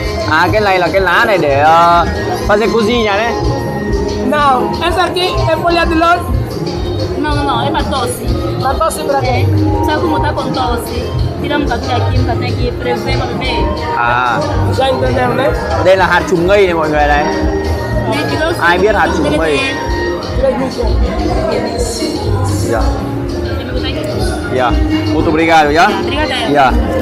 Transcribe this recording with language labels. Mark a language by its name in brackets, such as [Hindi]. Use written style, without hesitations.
[Vietnamese] Ah, cái này là cái lá này để [Portuguese] fazer cozinha, né? Não, essa aqui é folha de loto. Não, é para tosse. Para tosse para quê? Sabe como tá com tosse? Tiramos aqui, um café aqui, para ver, para beber. Ah, já entendeu, né? [Vietnamese] Đây là hạt trùng ngây này mọi người này. Ai biết hạt trùng ngây? [Portuguese] Ya. Ya. Muito obrigado, ya. Ya.